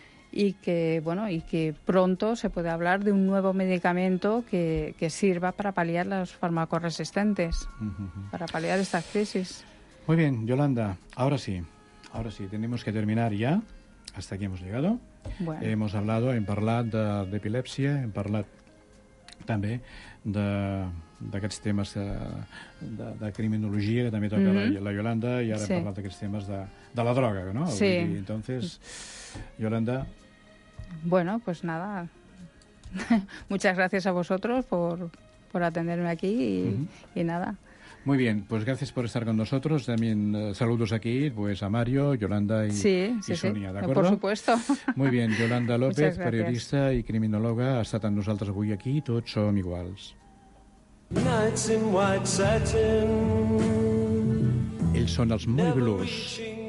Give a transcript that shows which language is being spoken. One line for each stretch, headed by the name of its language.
Spanish: Y que, bueno, y que pronto se pueda hablar de un nuevo medicamento que sirva para paliar los fármacos resistentes, para paliar estas crisis. Muy bien, Yolanda, ahora sí, tenemos que terminar ya, hasta aquí hemos llegado. Bueno.
Catalan: Hem parlat de epilepsia, hem parlat també d'aquests temes de criminologia, que també toca la Yolanda, i ara hem parlat d'aquests temes de la droga, no? Sí.
Spanish: Entonces, Yolanda... Bueno, pues nada. Muchas gracias a vosotros por atenderme aquí y nada. Muy bien, pues gracias por estar con nosotros. También saludos aquí pues a Mario, Yolanda y Sonia, ¿de acuerdo? Por supuesto. Muy bien,
Catalan: Yolanda López, periodista y criminòloga, ha estat amb nosaltres avui aquí. Tots som iguals.
English: Nights in white satin.
Catalan: Ells són els Moody Blues.